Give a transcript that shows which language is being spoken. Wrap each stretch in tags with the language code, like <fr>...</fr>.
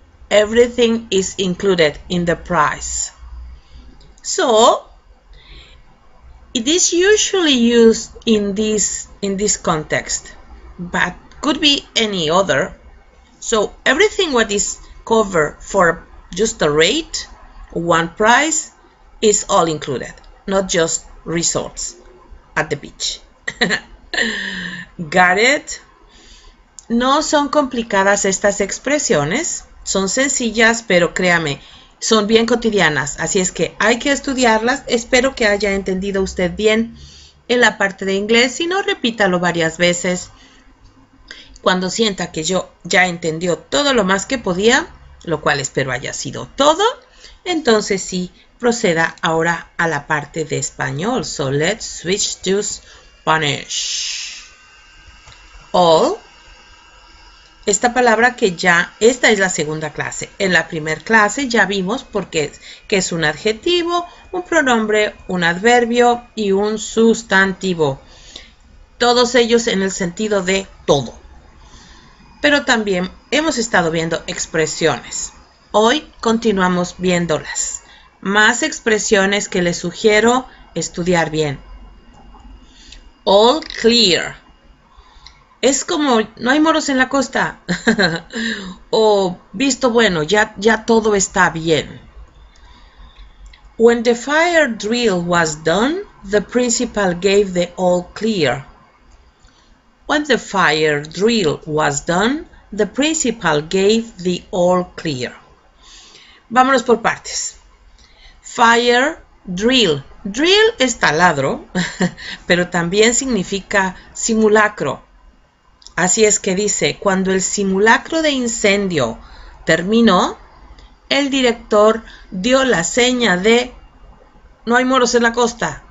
<en>Everything is included in the price. So it is usually used in this context, but could be any other. So everything what is covered for just a rate, one price, is all included, not just resorts at the beach. Got it?</en> <es>No son complicadas estas expresiones, son sencillas, pero créame, son bien cotidianas, así es que hay que estudiarlas. Espero que haya entendido usted bien en la parte de inglés. Si no, repítalo varias veces. Cuando sienta que yo ya entendió todo lo más que podía, lo cual espero haya sido todo, entonces sí, proceda ahora a la parte de español.</es> <en>So let's switch to Spanish. All.</en> <es>Esta palabra que ya, esta es la segunda clase. En la primera clase ya vimos por qué, que es un adjetivo, un pronombre, un adverbio y un sustantivo. Todos ellos en el sentido de todo. Pero también hemos estado viendo expresiones. Hoy continuamos viéndolas. Más expresiones que les sugiero estudiar bien.</es> <en>All clear.</en> <es>Es como, no hay moros en la costa. O visto bueno, ya todo está bien.</es> <en>When the fire drill was done, the principal gave the all clear. When the fire drill was done, the principal gave the all clear.</en> <es>Vámonos por partes.</es> <en>Fire drill.</en> <es>Drill es taladro, pero también significa simulacro. Así es que dice, cuando el simulacro de incendio terminó, el director dio la seña de no hay moros en la costa.</es>